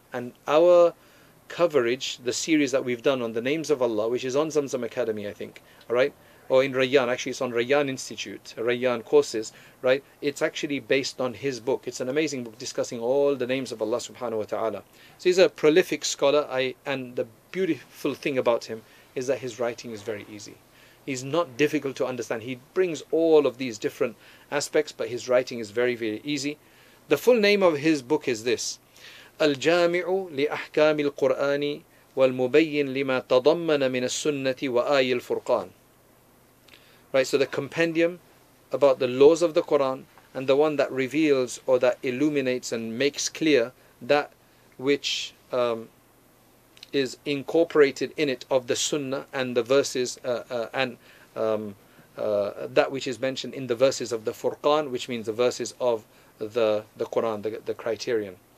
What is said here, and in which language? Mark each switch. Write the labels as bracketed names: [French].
[English] And our coverage, the series that we've done on the names of Allah, which is on Zamzam Academy, I think, all right, or in Rayyan, actually it's on Rayyan Institute, Rayyan courses, right, it's actually based on his book. It's an amazing book discussing all the names of Allah subhanahu wa ta'ala. So he's a prolific scholar, and the beautiful thing about him is that his writing is very easy. He's not difficult to understand. He brings all of these different aspects, but his writing is very, very easy. The full name of his book is this, [Arabic] الجامع لأحكام القرآن والمبين لما تضمن من السنة وآي الفرقان. [English] Right, so the compendium about the laws of the Quran and the one that reveals or that illuminates and makes clear that which is incorporated in it of the Sunnah and the verses that which is mentioned in the verses of the Furqan, which means the verses of the Quran, the criterion.